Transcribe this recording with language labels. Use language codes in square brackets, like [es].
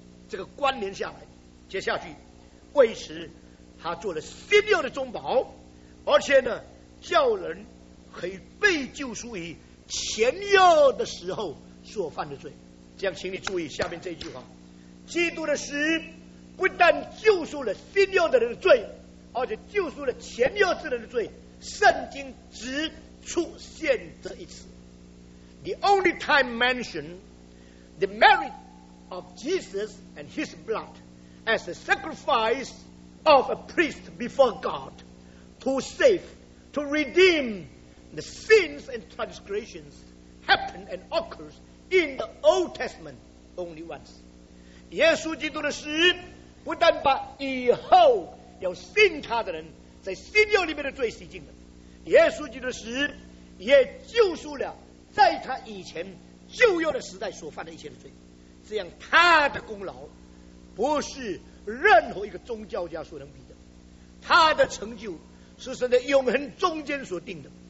[zh] 这个关联下来，接下去为此他做了新约的中保，而且呢叫人可以被救赎于前约的时候所犯的罪。这样请你注意下面这句话，基督的死不但救赎了新约的人的罪，而且救赎了前约之人的罪。圣经只出现这一次， [en] The only time mentioned the merit of Jesus and his blood as a sacrifice of a priest before God to save, to redeem the sins and transgressions happen and occurs in the Old Testament only once。 [zh] 耶稣基督的死不但把以后要信他的人在新约里面的罪洗净了，耶稣基督的死也救赎了在他以前旧约的时代所犯的一切的罪。这样他的功劳不是任何一个宗教家所能比的，他的成就是神的永恒中间所定的。